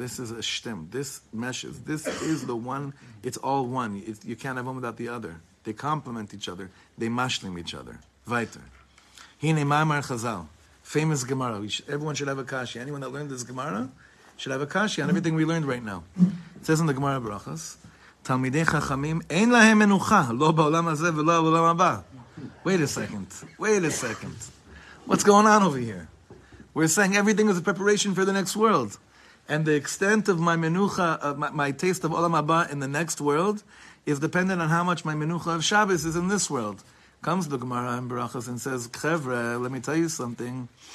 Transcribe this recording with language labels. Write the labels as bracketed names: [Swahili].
[English] This is a shtem. This meshes. This is the one. It's all one. You can't have one without the other. They complement each other. They mashlim each other. Weiter. Hine Ma'amar Chazal. Famous Gemara. Everyone should have a kashi. Anyone that learned this Gemara should have a kashi on everything we learned right now. It says in the Gemara Brachas, [Hebrew] תלמידי חכמים אין להם מנוחה, לא בעולם הזה ולא בעולם הבא. [English] Wait a second. What's going on over here? We're saying everything is a preparation for the next world. And the extent of my menucha, my taste of Olam Haba in the next world, is dependent on how much my menucha of Shabbos is in this world. Comes the Gemara in Barachas and says, Chevre, let me tell you something.